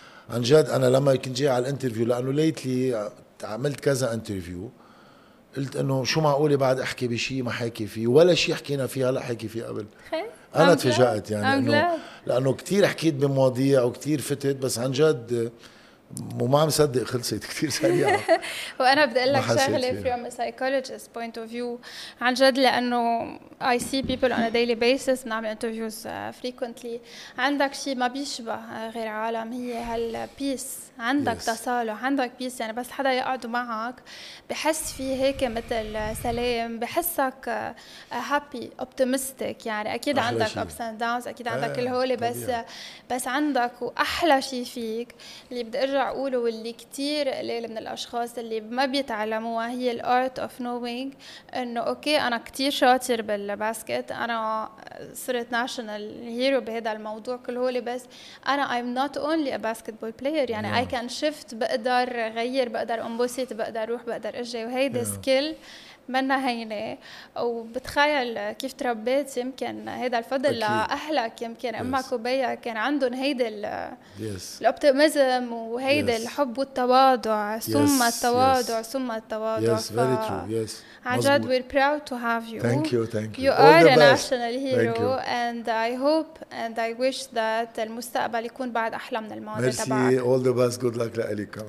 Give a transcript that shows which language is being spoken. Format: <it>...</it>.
<ar>عن جد أنا لما كنت جاي على الانترفيو لأنه ليتلي عملت كذا انترفيو قلت إنه شو معقولة بعد أحكي بشي ما حكي فيه ولا شي حكينا فيه لا حكي فيه قبل. أنا تفاجأت يعني إنه لأنه كتير حكيت بمواضيع وكتير فتت بس عن جد وما عم صدق خلصت كتير سريعة. وأنا بدي أقول لك شغلة</ar> <en>from a psychologist point of view</en> <ar>عن جد لأنه</ar> <en>I see people on a daily basis</en> <ar>نعمل interviews frequently. عندك شيء ما بيشبه غير عالم هي هال peace. عندك تصالح, عندك peace يعني بس حدا يقعد معك بحس فيه هيك مثل سلام, بحسك happy optimistic يعني. أكيد عندك</ar> <en>ups and downs,</en> <ar>أكيد عندك الهولة بس عندك. وأحلى شيء فيك اللي بدي أرجع أقوله واللي كتير قليل من الأشخاص اللي ما بيتعلموها هي الـ</ar> <en>art of knowing</en> <ar>إنه أوكي أنا كتير شاطر بالباسكت, أنا صرت ناشنال هيرو بهذا الموضوع كله اللي بس أنا</ar> <en>I'm not only a basketball player</en> <ar>يعني.</ar> <en>I can shift,</en> <ar>بقدر غير, بقدر أنبسط, بقدر أروح, بقدر أجي. وهي دي سكيل منا هينة. وبتخيل كيف تربيت يمكن هيدا الفضل أكيد. لأهلك يمكن أمك وبيك كان عندهم هيدا الأوبتيميزم وهيدا الحب والتواضع ثم التواضع ثم التواضع. عجد</ar> <en>we're proud to have you. Thank you. You are a national hero and I hope and I wish that</en> <ar>المستقبل يكون بعد أحلى من الماضي.</ar> <en>مرسي. All the best. Good luck</en> <ar>لأليك.</ar>